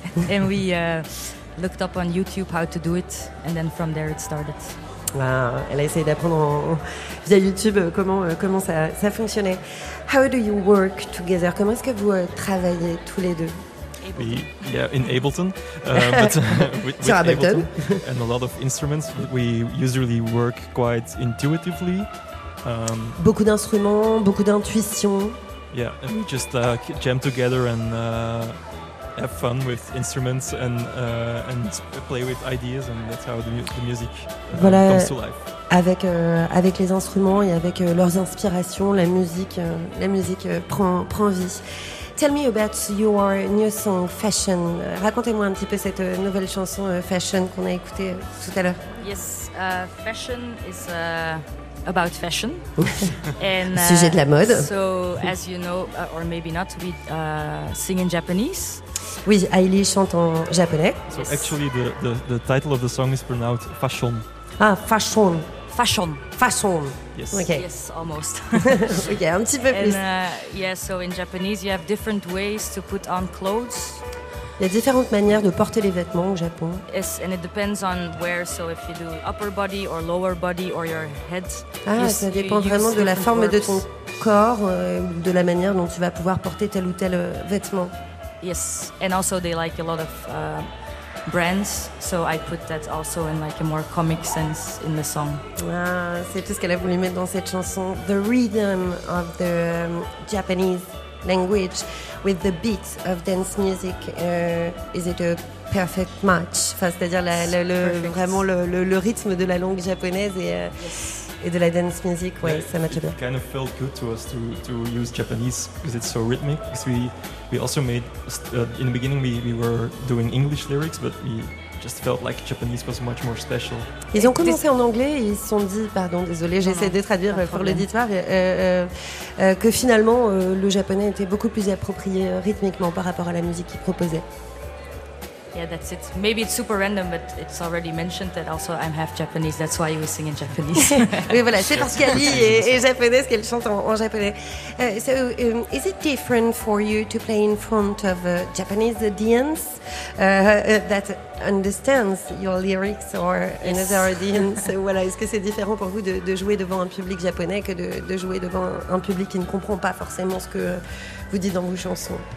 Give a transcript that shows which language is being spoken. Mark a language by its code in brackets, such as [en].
[en] And we looked up on YouTube how to do it, and then from there it started. [fr] Wow, elle a essayé d'apprendre via YouTube comment ça fonctionnait. [en] How do you work together? [fr] Comment est-ce que vous travaillez tous les deux? [en] In Ableton, with Ableton and a lot of instruments, we usually work quite intuitively. [fr] Beaucoup d'instruments, beaucoup d'intuition. [en] Yeah, and we just jam together and have fun with instruments and play with ideas, and that's how the music [fr] voilà, [en] comes to life. [fr] Avec avec les instruments et avec leurs inspirations, la musique prend vie. [en] Tell me about your new song Fashion. [fr] Racontez-moi un petit peu cette nouvelle chanson Fashion qu'on a écoutée tout à l'heure. [en] Yes, Fashion is about fashion. [fr] And sujet de la mode. [en] So as you know, or maybe not, we sing in Japanese. [fr] Oui, Hailey chante en japonais. [en] So yes. Actually the title of the song is pronounced fashion. Ah, fashion. Fashion. Fashion. Yes. Okay. Yes, almost. [fr] Okay, un petit peu plus. [en] And yeah, so in Japanese you have different ways to put on clothes. [fr] Il y a différentes manières de porter les vêtements au Japon. [en] Yes, and it depends on where. So if you do upper body or lower body or your head. [fr] Ah, ça dépend vraiment de la forme de ton corps, de la manière dont tu vas pouvoir porter tel ou tel vêtement. [en] Yes, and also they like a lot of brands. So I put that also in like a more comic sense in the song. [fr] Ah, c'est tout ce qu'elle a voulu mettre dans cette chanson. [en] The rhythm of the Japanese language with the beat of dance music, is it a perfect match? [fr] Enfin, c'est-à-dire le rythme de la langue japonaise et de la dance music, ouais, yeah, ça m'a très bien. [en] It kind of felt good to us to use Japanese because it's so rhythmic. Because we also made in the beginning we were doing English lyrics, but we just felt like Japanese was much more special. [fr] Ils ont commencé en anglais et ils se sont dit, pardon, désolé, j'essaie de traduire pour l'auditoire, que finalement le japonais était beaucoup plus approprié rythmiquement par rapport à la musique qu'ils proposaient. [en] Yeah, that's it. Maybe it's super random, but it's already mentioned that also I'm half Japanese, that's why we sing in Japanese. [fr] Oui, voilà, c'est parce qu'Ali est japonaise qu'elle chante en japonais. [en] So, is it different for you to play in front of a Japanese audience that understands your lyrics or another audience? [fr] Voilà, est-ce que c'est différent pour vous de jouer devant un public japonais que de jouer devant un public qui ne comprend pas forcément ce que vous dites dans vos chansons?